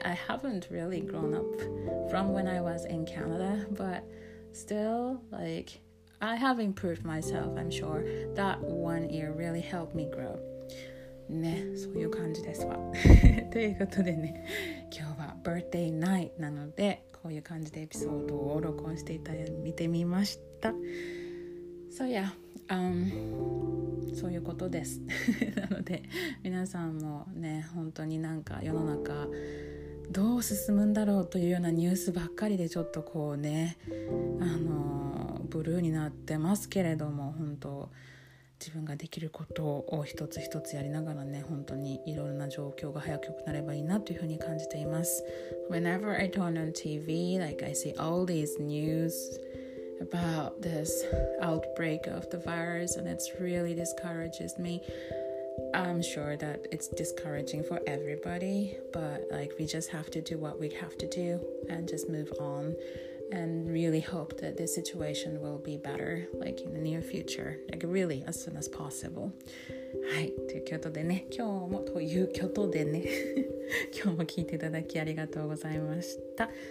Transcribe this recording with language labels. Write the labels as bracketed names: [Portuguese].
[English] I haven't really grown up from when I was in Canada, but still likeI have improved myself, I'm sure. That 1 year really helped me grow. [Japanese] ね、そういう感じですわ。ということでね、今日は [English] birthday night [Japanese] なので、こういう感じでエピソードを録音していたように見てみました。 [English] So yeah, [Japanese] そういうことです。なので、皆さんもね、本当になんか世の中、どう進むんだろうというようなニュースばっかりでちょっとこうね、ブルーになってますけれども、本当自分ができることを一つ一つやりながらね、本当にいろいろな状況が早くよくなればいいなというふうに感じています。 [English] Whenever I turn on TV, like I see all these news about this outbreak of the virus, and it really discourages meI'm sure that it's discouraging for everybody, but like we just have to do what we have to do and just move on and really hope that this situation will be better like in the near future, like really as soon as possible. [Japanese] はい、ということでね、今日もということでね、今日も聞いていただきありがとうございました。